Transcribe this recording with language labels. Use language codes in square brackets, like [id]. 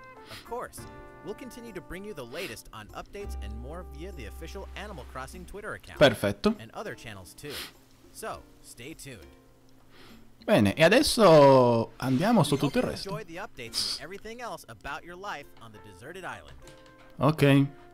[en] Of course, we'll continue to bring you the latest on updates and more via the official Animal Crossing Twitter account. Perfetto. And other channels too. So, stay tuned. [it] Bene, e adesso andiamo su tutto il resto. [en] Enjoy the updates and everything else about your life on the deserted island. Okay.